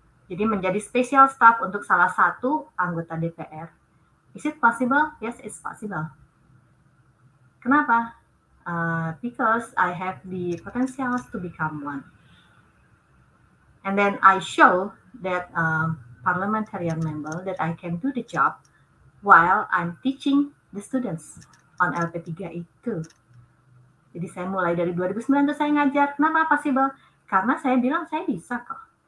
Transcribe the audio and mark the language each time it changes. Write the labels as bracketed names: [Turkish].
[Indonesian] Jadi menjadi special staff untuk salah satu anggota DPR. [English] Is it possible? Yes, it's possible. [Indonesian] Kenapa? [English] Because I have the potentials to become one. And then I show that parliamentarian member that I can do the job while I'm teaching the students on LP3I too. [Indonesian] Jadi saya mulai dari 2009 tuh saya ngajar. Kenapa possible? Karena saya bilang saya bisa kok.